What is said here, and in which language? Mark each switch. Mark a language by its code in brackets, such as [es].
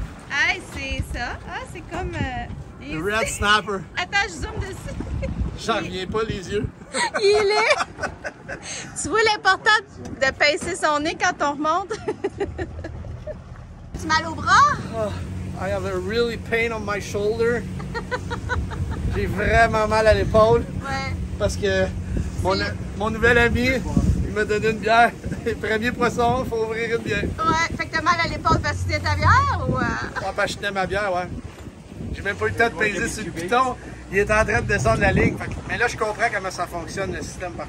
[fr] Hey, c'est ça! Ah, c'est comme. [en] The red [fr] c'est... [en] snapper! [fr] Attends, je zoome dessus! J'en reviens pas les yeux! Il est! Tu vois l'important de pincer son nez quand on remonte? Tu as mal au bras? [en] I have a really pain on my shoulder. [fr] J'ai vraiment mal à l'épaule. Ouais. Parce que mon nouvel ami, il m'a donné une bière. Premier poisson, il faut ouvrir une bière. Ouais, fait que t'as mal à l'épaule parce que c'était ta bière ou... Ouais, parce que je tenais ma bière, ouais. J'ai même pas eu le temps de pincer sur le piton. Il est en train de descendre la ligne. Mais là, je comprends comment ça fonctionne, le système, par